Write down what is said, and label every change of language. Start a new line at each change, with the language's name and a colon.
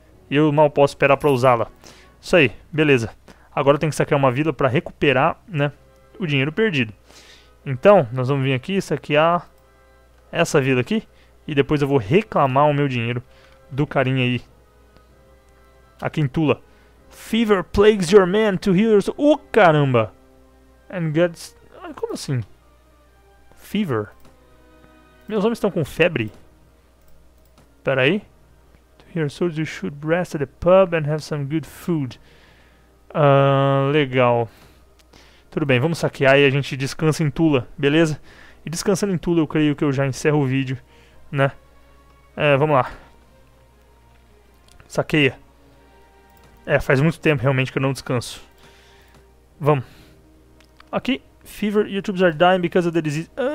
Portuguese: E eu mal posso esperar pra usá-la. Isso aí, beleza. Agora eu tenho que saquear uma vila para recuperar, né, o dinheiro perdido. Então, nós vamos vir aqui, saquear essa vila aqui. E depois eu vou reclamar o meu dinheiro do carinha aí. Aqui em Tula.
English: Fever plagues your men to heal yourself.
Portuguese: Oh, caramba!
English: And gets.
Portuguese: Como assim? Fever? Meus homens estão com febre? Pera aí.
English: To heal yourself, you should rest at the pub and have some good food.
Portuguese: Legal. Tudo bem, vamos saquear e a gente descansa em Tula, beleza? E descansando em Tula, eu creio que eu já encerro o vídeo, né? Vamos lá. Saqueia. É, faz muito tempo realmente que eu não descanso. Vamos. Aqui.
English: Fever, YouTubers are dying because of the disease.